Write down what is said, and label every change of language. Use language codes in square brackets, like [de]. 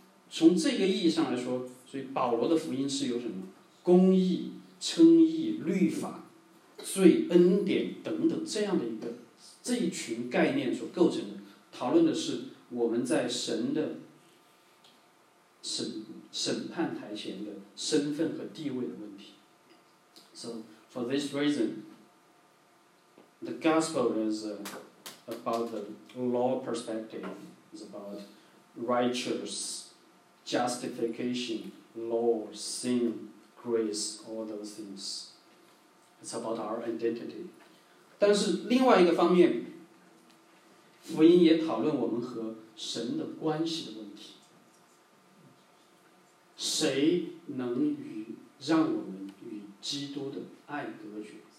[zh] 从这个意义上来说，所以保罗的福音是有什么公义、称义、律法、罪、恩典等等这样的一个这一群概念所构成的，讨论的是我们在神的 审判台前的身份和地位的问题。 [en] So for this reasonThe gospel is about the law perspective. It's about righteous justification, law, sin, grace, all those things. It's about our identity. [zh] 但是另外一个方面，福音也讨论我们和神的关系的问题。谁能与让我们与基督的爱隔绝？